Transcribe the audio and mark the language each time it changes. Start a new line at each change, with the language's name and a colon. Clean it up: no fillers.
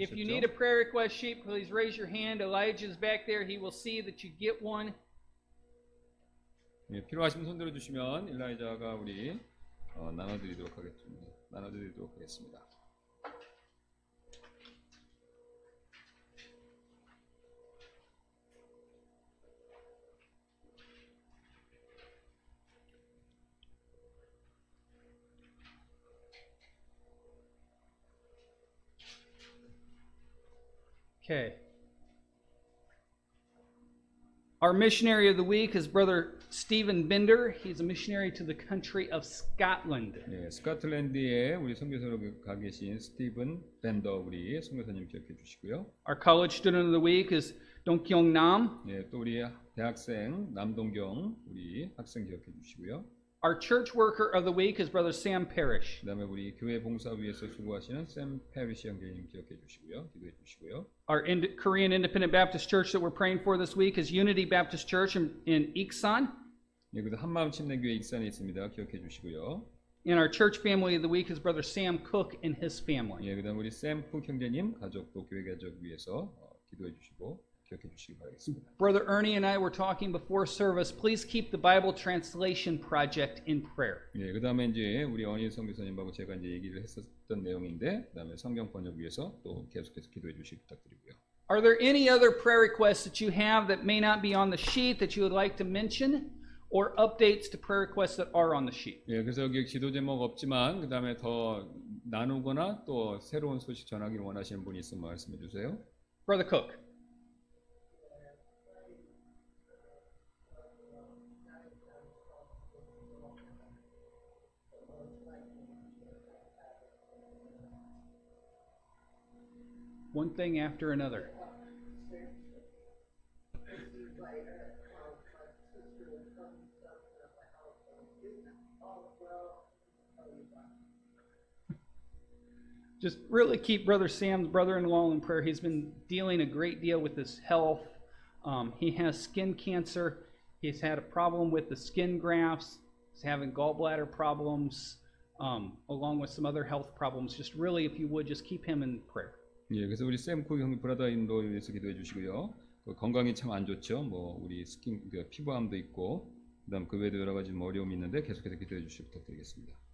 English: If you need a prayer request sheet, please raise your hand. Elijah's back there. He will see that you get one.
Korean: 예, 필요하시면 손 들어주시면 일라이자가 우리 나눠드리도록 하겠습니다. 나눠드리도록 하겠습니다.
English: Okay. Our missionary of the week is Brother Stephen Binder. He's a missionary to the country of Scotland.
Korean: 네, 스코틀랜드에 우리 선교사로 가 계신 스티븐 벤더 우리 선교사님 기억해 주시고요.
English: Our college student of the week is Dong Kyung Nam.
Korean: 네, 또 우리 대학생 남동경 우리 학생 기억해 주시고요.
English: Our church worker of the week is Brother Sam Parrish.
Korean: 그다음에 우리 교회 봉사 위해서 수고하시는 샘 패리시 형제님 기억해 주시고요. 기도해 주시고요.
English: Our Korean Independent Baptist Church that we're praying for this week is Unity Baptist Church in Iksan.
Korean: 예, 그 한마음 침례교회 익산에 있습니다. 기억해 주시고요.
English: And our church family of the week is Brother Sam Cook and his family.
Korean: 예, 그다음 우리 샘 쿡 형제님 가족 또 교회 가족 위해서 기도해 주시고 기억해 주시기 바라겠습니다.
English: Brother Ernie and I were talking before service. Please keep the Bible Translation Project in prayer.
Korean: 예, 그다음에 이제 우리 어니 선교사님하고 제가 이제 얘기를 했었던 내용인데 그다음에 성경 번역 위해서 또 계속해서 기도해 주시기 부탁드리고요.
English: Are there any other prayer requests that you have that may not be on the sheet that you would like to mention? Or updates to prayer requests that are on the sheet.
Korean: 예, 그래서 여기 기도 제목 없지만 그다음에 더 나누거나 또 새로운 소식 전하기 원하시는 분이 있으면 말씀해 주세요.
English: Brother Cook. One thing after another. Just really keep Brother Sam's brother-in-law in prayer. He's been dealing a great deal with his health. He has skin cancer. He's had a problem with the skin grafts. He's having gallbladder problems, along with some other health problems. Just really, if you would, just keep him in prayer.
Korean: 예, 그래서 우리 샘 쿡 형님 브라더인도에 대해서 기도해 주시고요. 그 건강이 참 안 좋죠. 뭐 우리 스킨, 그 피부암도 있고, 그다음 그 외에도 여러 가지 뭐 어려움이 있는데 계속해서 기도해 주시기 부탁드리겠습니다.